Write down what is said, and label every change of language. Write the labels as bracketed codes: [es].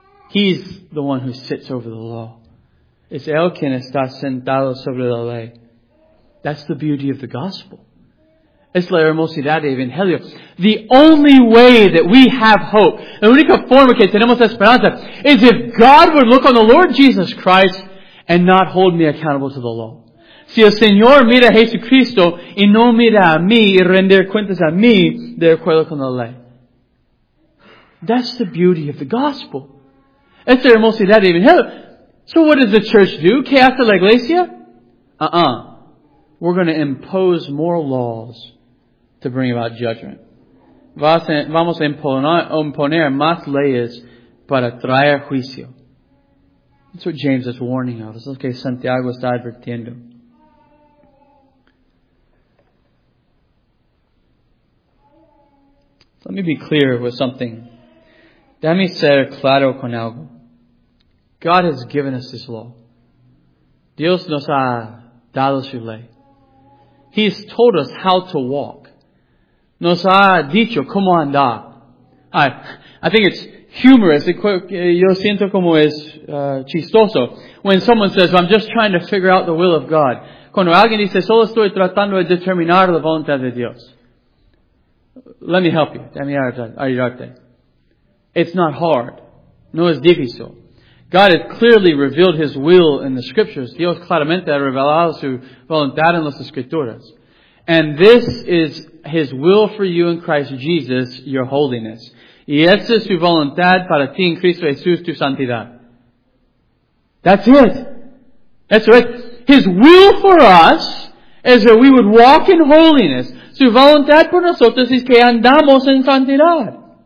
[en] He's the one who sits over the law. [es] Es él quien está sentado sobre la ley. [en] That's the beauty of the gospel. [es] Es la hermosidad de Evangelio. [en] The only way that we have hope, [es] la única forma que tenemos esperanza, [en] is if God would look on the Lord Jesus Christ and not hold me accountable to the law. [es] Si el Señor mira a Jesucristo y no mira a mí y render cuentas a mí de acuerdo con la ley. [en] That's the beauty of the gospel. [es] Es la hermosidad de Evangelio. [en] So what does the church do? [es] ¿Qué hace la iglesia? [en] We're going to impose more laws to bring about judgment. [es] Vamos a imponer más leyes para traer juicio. [en] That's what [es] James is warning of. That's what Santiago está advirtiendo. [en] Let me be clear with something. [es] Déjame ser claro con algo. [en] God has given us His law. [es] Dios nos ha dado su ley. [en] He has told us how to walk. [es] Nos ha dicho cómo andar. [en] I think it's humorous. [es] Yo siento como es chistoso. [en] When someone says, I'm just trying to figure out the will of God. [es] Cuando alguien dice, solo estoy tratando de determinar la voluntad de Dios. [en] Let me help you. [es] Déjame ayudarte. [en] It's not hard. [es] No es difícil. [en] God has clearly revealed His will in the Scriptures. [es] Dios claramente ha revelado su voluntad en las Escrituras. [en] And this is His will for you in Christ Jesus, your holiness. [es] Y esta es su voluntad para ti en Cristo Jesús, tu santidad. [en] That's it. That's right. His will for us is that we would walk in holiness. [es] Su voluntad por nosotros es que andamos en santidad.